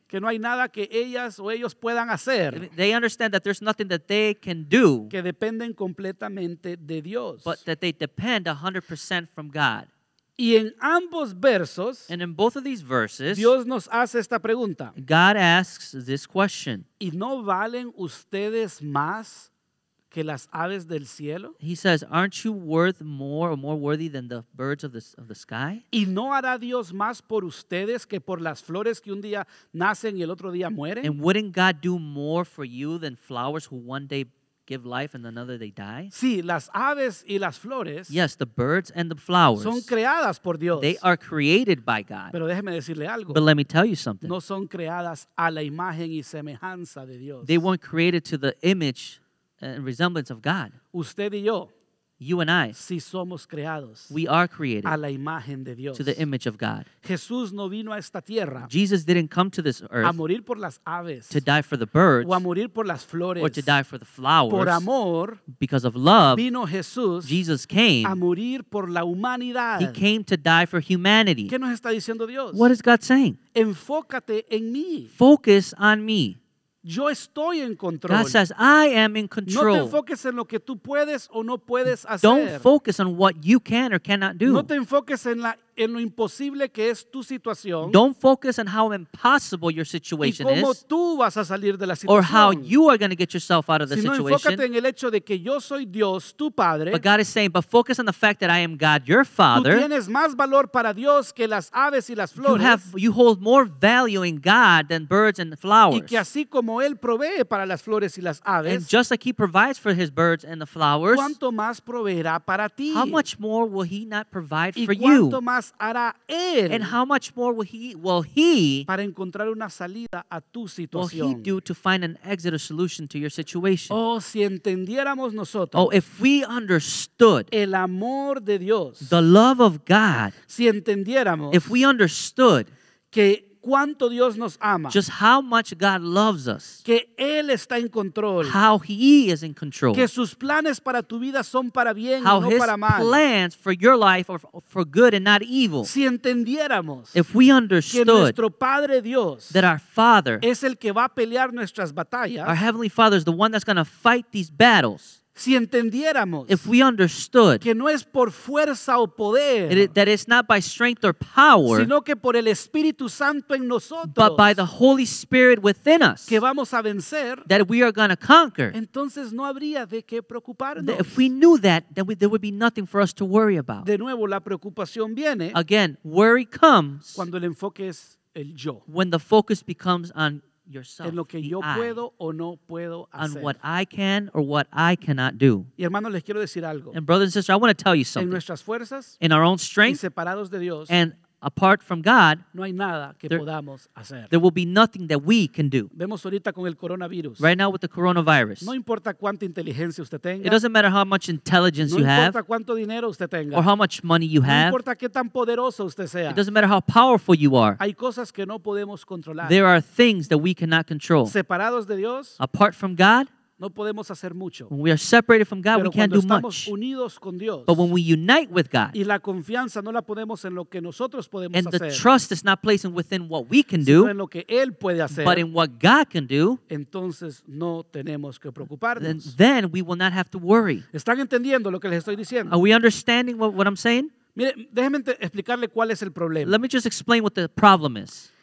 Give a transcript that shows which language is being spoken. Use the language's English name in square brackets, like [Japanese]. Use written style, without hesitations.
[Spanish] Que no hay nada que ellas o ellos puedan hacer. [English] They understand that there's nothing that they can do. [Spanish] Que dependen completamente de Dios. [English] But that they depend 100% from God. [Spanish] Y en ambos versos. [English] And in both of these verses. [Spanish] Dios nos hace esta pregunta. [English] God asks this question. [Spanish] ¿Y no valen ustedes más que las aves del cielo? [English] He says, aren't you worth more or more worthy than the birds of the sky? [Spanish] ¿Y no hará Dios más por ustedes que por las flores que un día nacen y el otro día mueren? [English] And wouldn't God do more for you than flowers who one day give life and another they die? [Spanish] Sí, las aves y las flores. [English] Yes, the birds and the flowers. [Spanish] Son creadas por Dios. [English] They are created by God. [Spanish] Pero déjeme decirle algo. [English] But let me tell you something. [Spanish] No son creadas a la imagen y semejanza de Dios. [English] They weren't created to the image and resemblance of God. [Spanish] Usted y yo, [English] you and I, [Spanish] si somos creados, [English] we are created [Spanish] a la imagen de Dios, [English] to the image of God. [Spanish] Jesús no vino a esta tierra, [English] Jesus didn't come to this earth [Spanish] a morir por las aves, [English] to die for the birds [Spanish] o a morir por las flores, [English] or to die for the flowers. [Spanish] Por amor, [English] because of love, [Spanish] vino Jesús, [English] Jesus came [Spanish] a morir por la humanidad. [English] He came to die for humanity. [Spanish] ¿Qué nos está diciendo Dios? [English] What is God saying? [Spanish] Enfócate en mí. [English] Focus on me. [Spanish] Yo estoy en control. [English] God says, I am in control. [Spanish] No te enfoques en lo que tú puedes o no puedes hacer. [English] Don't focus on what you can or cannot do. [Spanish] No te enfoques en lo imposible que es tu situación. [English] Don't focus on how impossible your situation [Spanish] y cómo [English] is. [Spanish] Tú vas a salir de la situación. [English] Or how you are going to get yourself out of the [Spanish] sino [English] situation. [Spanish] Enfócate en el hecho de que yo soy Dios, tu padre. [English] But God is saying, but focus on the fact that I am God, your father. [Spanish] Tú tienes más valor para Dios que las aves y las flores. [English] You hold more value in God than birds and flowers. [Spanish] Y que así como él provee para las flores y las aves. [English] And just like he provides for his birds and the flowers. [Spanish] ¿Cuánto más proveerá para ti? [English] How much more will he not provide [Spanish] y [English] for you? [Spanish] ¿Y cuánto más hará él? [English] And how much more will he [Spanish] para encontrar una salida a tu situación? [English] Will he do to find an exit or solution to your situation? [Spanish] Oh, si entendiéramos nosotros. [English] Oh, if we understood [Spanish] el amor de Dios. [English] The love of God. [Spanish] Si entendiéramos. [English] If we understood [Spanish] que cuánto Dios nos ama. [English] Just how much God loves us. [Spanish] Que él está en control. [English] How he is in control. [Spanish] Que sus planes para tu vida son para bien, [English] how [Spanish] no para mal. [English] How his plans for your life are for good and not evil. [Spanish] Si entendiéramos. [English] If we understood. [Spanish] Que nuestro Padre Dios. [English] That our Father. [Spanish] Es el que va a pelear nuestras batallas. [English] Our Heavenly Father is the one that's going to fight these battles. [Spanish] Si entendiéramos. [English] If we understood. [Spanish] Que no es por fuerza o poder. [English] That it's not by strength or power. [Spanish] Sino que por el Espíritu Santo en nosotros. [English] But by the Holy Spirit within us. [Spanish] Que vamos a vencer. [English] That we are going to conquer. [Spanish] Entonces no habría de qué preocuparnos. [English] If we knew that, then there would be nothing for us to worry about. [Spanish] De nuevo, la preocupación viene. [English] Again, worry comes. [Spanish] Cuando el enfoque es el yo. [English] When the focus becomes on yourself, [Spanish] en lo que yo puedo o no puedo hacer. [English] On what I can or what I cannot do. [Spanish] Y hermanos, les quiero decir algo. [English] And brothers and sisters, I want to tell you something. [Spanish] En nuestras fuerzas, [English] in our own strength, [Spanish] y separados de Dios, [English] and apart from God, [Spanish] no hay nada que podamos hacer. [English] There will be nothing that we can do. [Spanish] Vemos ahorita con el coronavirus. [English] Right now with the coronavirus. [Spanish] No importa cuánta inteligencia usted tenga. [English] It doesn't matter how much intelligence [Spanish] no [English] you have. [Spanish] No importa cuánto dinero usted tenga. [English] Or how much money you have. [Spanish] No importa qué tan poderoso usted sea. [English] It doesn't matter how powerful you are. [Spanish] Hay cosas que no podemos controlar. [English] There are things that we cannot control. [Spanish] Separados de Dios. [English] Apart from God. [Spanish] No podemos hacer mucho. [English] When we are separated from God, [Spanish] pero [English] we can't do much. [Spanish] Unidos con Dios, [English] but when we unite with God, [Spanish] y la confianza no la ponemos en lo que nosotros podemos [English] and [Spanish] hacer, [English] the trust is not placed within what we can [Spanish] sino [English] do, [Spanish] en lo que Él puede hacer, [English] but in what God can do, [Spanish] entonces no tenemos que preocuparnos. [English] Then we will not have to worry. [Spanish] ¿Están entendiendo lo que les estoy diciendo? [English] Are we understanding what I'm saying? [Spanish] Mire, déjeme explicarle cuál es el problema. [English] Let me just explain what the problem is.